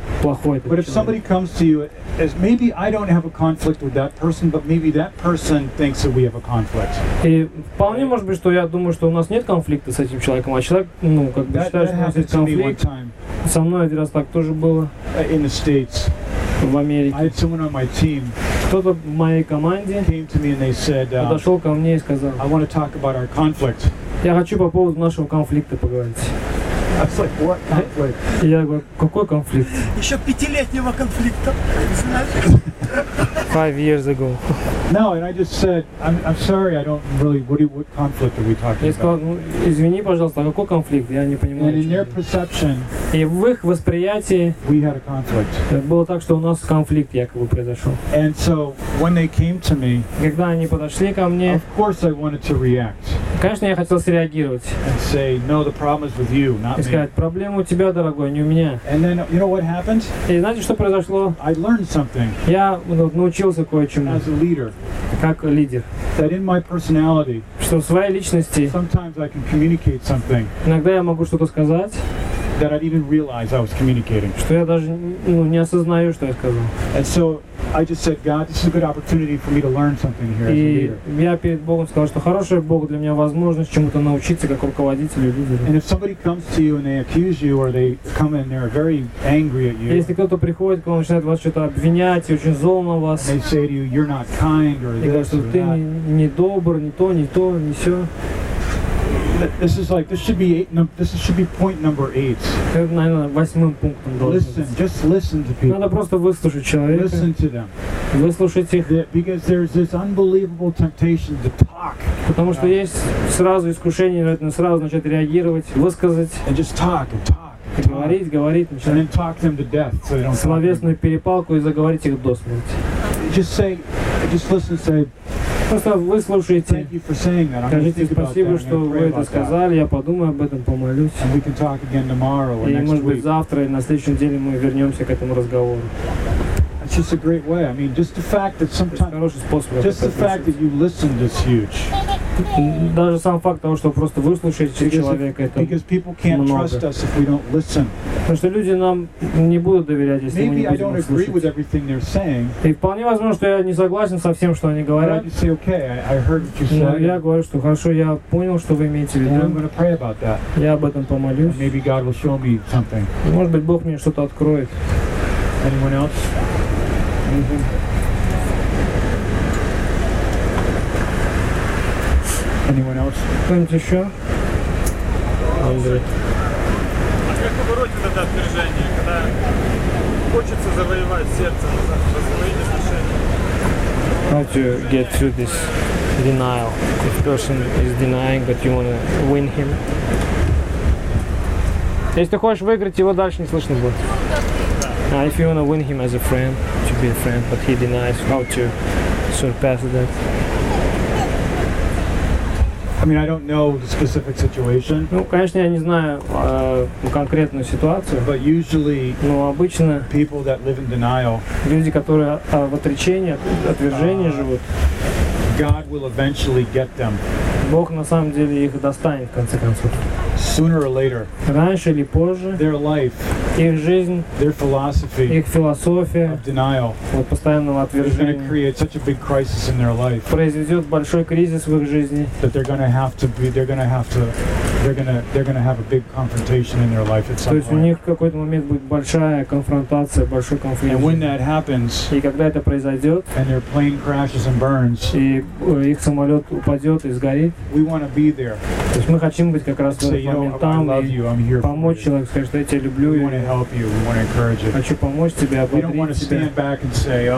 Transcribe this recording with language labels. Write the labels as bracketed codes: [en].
[en] But if somebody comes to you, as maybe I don't have a conflict with that person, but maybe that person thinks that we have a conflict. [ru] И вполне может быть, что я думаю, что у нас нет конфликта с этим человеком, а человек, ну, как бы считает, что у нас есть конфликт. Со мной один раз так тоже было. [en] In the States. [ru] В Америке. [en] I had someone on my team. [ru] Кто-то в моей команде. [en] Came to me and they said. [ru] Подошел ко мне и сказал. [en] I want to talk about our conflict. [ru] Я хочу по поводу нашего конфликта поговорить. [en] I was like, what conflict? [ru] Я говорю, какой конфликт? Еще пятилетнего конфликта, знаешь? [en] 5 years ago. No, and I just said, I'm sorry, I don't really. What conflict are we talking about? [ru] Я сказал, ну извини, пожалуйста, какой конфликт? Я не понимаю. [en] And in their perception. [ru] И в их восприятии. [en] We had a conflict. [ru] Было так, что у нас конфликт якобы произошел. [en] And so when they came to me. [ru] Когда они подошли ко мне. [en] Of course, I wanted to react. [ru] Конечно, я хотел среагировать. [en] And say, no, the problem is with you, not me. [ru] И сказать, проблема у тебя, дорогой, не у меня. [en] And then, you know what happened? [ru] И знаете, что произошло? [en] I learned something. [ru] Я научился кое-чему. [en] As a leader. [ru] Как лидер. [en] That in my personality. [ru] Что в своей личности. [en] Sometimes I can communicate something. [ru] Иногда я могу что-то сказать. [en] That I didn't realize I was communicating. [ru] Что я даже не осознаю, что я сказал. [en] And so I just said, God, this is a good opportunity for me to learn something here as a leader. [ru] И я перед Богом сказал, что хорошая Бог для меня возможность чему-то научиться как руководителю лидеру. [en] And if somebody comes to you and they accuse you, or they come and they're very angry at you. [ru] Если кто-то приходит к вам и начинает вас что-то обвинять и очень зол на вас. [en] They say to you, you're not kind, or this, or that. [ru] И говорят, что ты не добр, не то, не все. [en] This is like, this should be point number 8. Listen, just listen to people. [ru] Надо просто выслушать человека. [en] Listen to them. [ru] Выслушать их. [en] Because there's this unbelievable temptation to talk. [ru] Потому что есть сразу искушение, сразу начать реагировать, высказать. [en] And just talk and talk. [ru] Говорить, словесную перепалку и заговорить их до смерти. Просто выслушайте. Скажите спасибо, что вы это сказали. Я подумаю об этом, помолюсь. И может быть завтра или на следующей неделе мы вернемся к этому разговору. [en] It's just a great way. I mean, just the fact that sometimes, just the fact that you listen is huge. [ru] Даже сам факт того, что просто выслушать человека, это много. [en] Because people can't trust us if we don't listen. [ru] Потому что люди нам не будут доверять, если мы не будем слушать. [en] Maybe I don't agree with everything they're saying. [ru] И вполне возможно, что я не согласен со всем, что они говорят. [en] But I say, okay, I heard what you said. [ru] Я говорю, что хорошо, я понял, что вы имеете в виду. [en] And I'm going to pray about that. [ru] Я об этом помолюсь. [en] Maybe God will show me something. [ru] Может быть, Бог мне что-то откроет. [en] Anyone else? Anyone else? [ru] Кто-нибудь еще? Андрей. А как побороть это отвержение, когда хочется завоевать сердце за свои отношения? [en] How to get through this denial? If person is denying, but you want to win him. [ru] Если ты хочешь выиграть его, дальше не слышно будет. [en] Now, if you want to win him as a friend, to be a friend, but he denies, how to surpass that? I mean, I don't know the specific situation. [ru] Ну, конечно, я не знаю конкретную ситуацию. [en] But usually, [ru] но обычно [en] people that live in denial, [ru] люди, которые в отречении, отвержении живут, [en] God will eventually get them. [ru] Бог на самом деле их достанет в конце концов. [en] Sooner or later, [ru] раньше или позже, [en] their life, [ru] их жизнь, [en] their philosophy, [ru] их философия, [en] of denial, [ru] вот постоянного отвержения, [en] is going to create such a big crisis in their life, [ru] произведет большой кризис в их жизни, [en] that they're going to have a big confrontation in their life at some point. [ru] То есть у них в какой-то момент будет большая конфронтация, большой конфликт. [en] And when that happens, [ru] и когда это произойдет, [en] and their plane crashes and burns, [ru] и их самолет упадет и сгорит, [en] we want to be there. [ru] То есть мы хотим быть как раз в этот момент там и помочь человеку, сказать, что я тебя люблю, хочу помочь тебе, ободрить тебя.